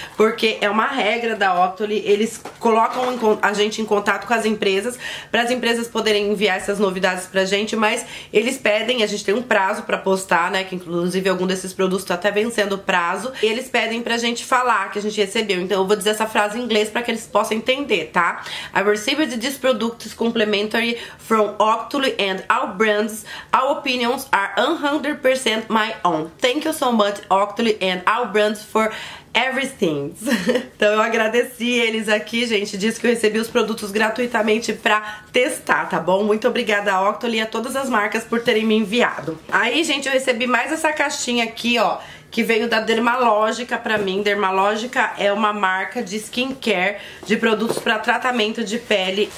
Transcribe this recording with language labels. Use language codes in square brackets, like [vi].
[pt] Porque é uma regra da Octoly, eles colocam a gente em contato com as empresas, para as empresas poderem enviar essas novidades pra gente, mas eles pedem, a gente tem um prazo pra postar, né, que inclusive algum desses produtos tá até vencendo o prazo, e eles pedem pra gente falar que a gente recebeu. Então eu vou dizer essa frase em inglês pra que eles possam entender, tá? [en] I received these products complimentary from Octoly and our brands. Our opinions are 100% my own. Thank you so much, Octoly and our brands, for everything. [pt] Então eu agradeci eles aqui, gente. Disse que eu recebi os produtos gratuitamente pra testar, tá bom? Muito obrigada a Octoly e a todas as marcas por terem me enviado. Aí, gente, eu recebi mais essa caixinha aqui, ó, que veio da Dermalogica pra mim. Dermalogica é uma marca de skincare, de produtos pra tratamento de pele.